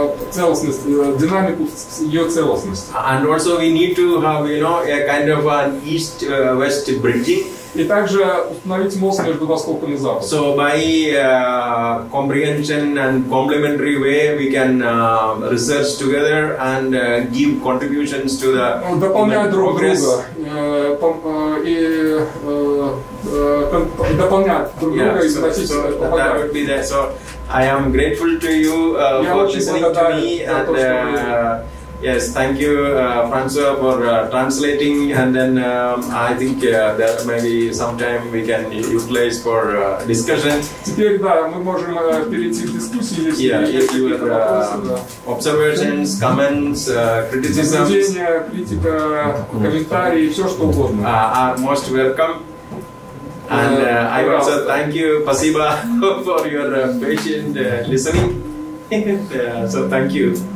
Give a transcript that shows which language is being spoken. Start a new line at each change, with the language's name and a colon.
Russian: Целостность, динамику ее целостности.
English: And also we need to have, you know, a kind of an east-west bridging.
Russian: И также установить мост между Востоком и Западом.
English: So by comprehension and complementary way we can research together and give contributions to the progress.
Russian: Дополняя друг друга.
English: That would be that. So I am grateful to you for listening to me, and yes, thank you, François, for translating. And then I think that maybe sometime we can utilize for discussion.
Russian: Теперь да, мы можем перейти к дискуссии.
English: Yeah, if you have observations, comments, criticisms,
Russian: мнение, критика, комментарии, все что угодно.
English: Are most welcome. And I also thank you, Pasiba, for your patient listening. So thank you.